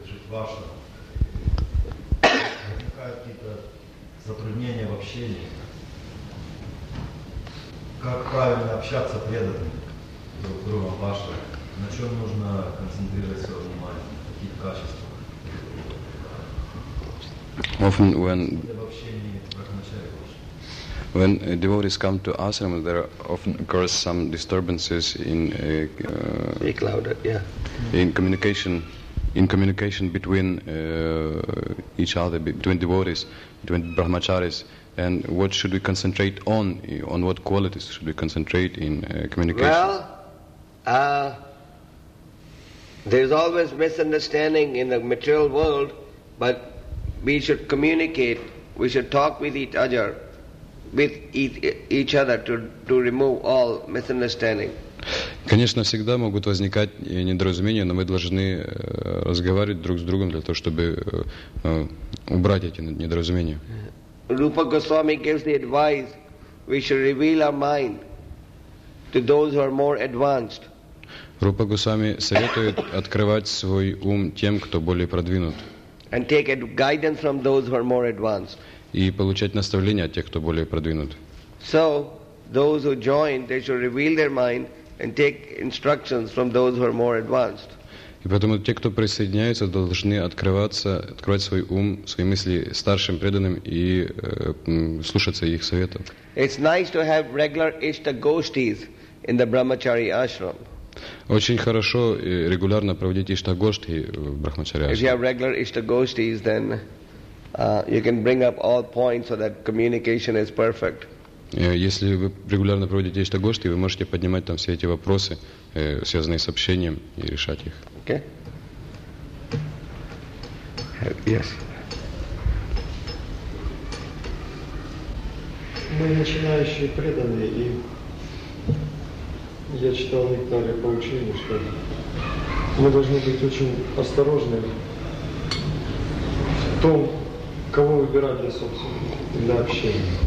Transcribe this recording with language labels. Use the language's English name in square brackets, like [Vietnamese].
[Russian] ваша, возникают какие-то затруднения в общении? Как правильно общаться преданным друг с другом, ваше? На чем нужно концентрировать свое внимание? На каких качествах? [English] Often when... [Russian] В общении прокачает ваше. [English] When devotees come to ashram, there often occurs some disturbances in communication between each other, between devotees, between brahmacharis. And what should we concentrate on? On what qualities should we concentrate in communication? Well, there's always misunderstanding in the material world, but we should communicate. We should talk with each other. With each other to remove all misunderstanding. [Russian] Конечно, всегда могут возникать недоразумения, но мы должны разговаривать друг с другом для того, чтобы убрать эти недоразумения. [English] Rupa Goswami gives the advice: we should reveal our mind to those who are more advanced. [Russian] Rupa Goswami советует открывать свой ум тем, кто более продвинут. [English] And take guidance from those who are more advanced. [Russian] И получать наставления от тех, кто более продвинут. [English] So, those who join, they should reveal their mind and take instructions from those who are more advanced. [Russian] И поэтому те, кто присоединяются, должны открывать свой ум, свои мысли старшим преданным и слушаться их советов. [English] It's nice to have regular ishta goshtis in the brahmachari ashram. [Russian] Очень хорошо регулярно проводить ishta goshti в брахмачари ашрам. [English] If you have regular ishta goshtis, then you can bring up all points so that communication is perfect. [Russian] Если вы регулярно проводите эти гости, вы можете поднимать там все эти вопросы, связанные с общением, и решать их. [English] Okay. Yes. [Russian] Мы начинающие преданные, и я читал некоторые поучения, что мы должны быть очень осторожны в том, кого выбирать для собственного, для общения.